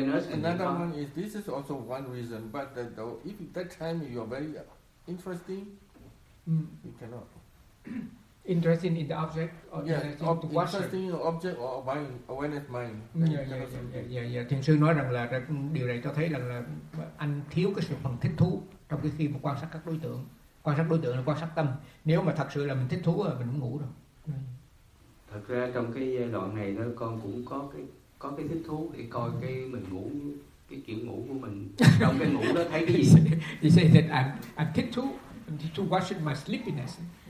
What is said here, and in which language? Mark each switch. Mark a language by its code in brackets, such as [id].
[en] another one is this is also one reason, but that though, if at that time you are very interesting, you cannot. Interesting in the object? Interesting in the object or by awareness mind. Yeah. [vi] Thiền sư nói rằng là điều này cho thấy rằng là anh thiếu cái sự phần thích thú trong cái khi mà quan sát các đối tượng. Quan sát đối tượng là quan sát tâm. Nếu mà thật sự là mình thích thú là mình cũng ngủ rồi. Thật ra trong cái giai đoạn này nó con cũng có cái thích thú để coi cái mình ngủ, cái kiểu ngủ của mình trong cái ngủ đó thấy cái gì. [en] He say that I'm [vi] thích thú, [en] I'm thích thú watching my sleepiness.